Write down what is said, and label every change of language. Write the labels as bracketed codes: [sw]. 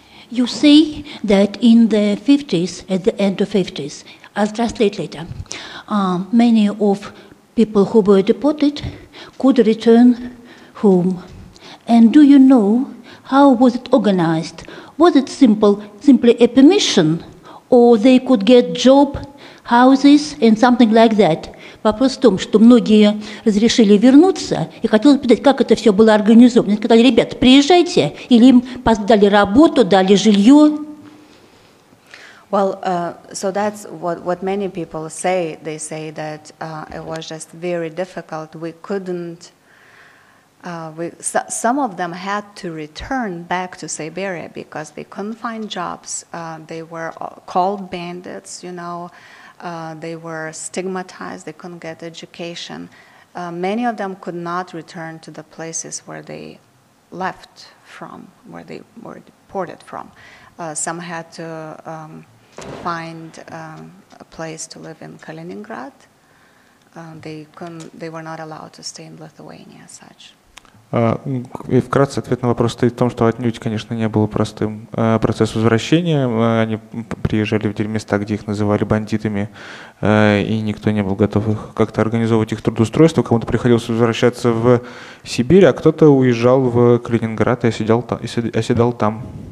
[en] You say that in the 50s, at the end of 50s, I'll translate later, many of people who were deported could return home. And do you know how was it organized? Was it simply a permission, or they could get job, houses, and something like that? [ru] Вопрос в том, что многие разрешили вернуться, и хотелось бы понять, как это все было организовано. Они сказали, ребята, приезжайте, или им дали работу, дали жилье. [en] Well, so that's what many people say. They say that it was just very difficult. We couldn't Some of them had to return back to Siberia because they couldn't find jobs. They were called bandits, you know. They were stigmatized. They couldn't get education. Many of them could not return to the places where they left from, where they were deported from. Some had to find a place to live in Kaliningrad. They were not allowed to stay in Lithuania as such. [ru] И вкратце ответ на вопрос стоит в том, что отнюдь, конечно, не был простым процесс возвращения. Они приезжали в те места, где их называли бандитами, и никто не был готов их как-то организовывать их трудоустройство. Кому-то приходилось возвращаться в Сибирь, а кто-то уезжал в Калининград и оседал там.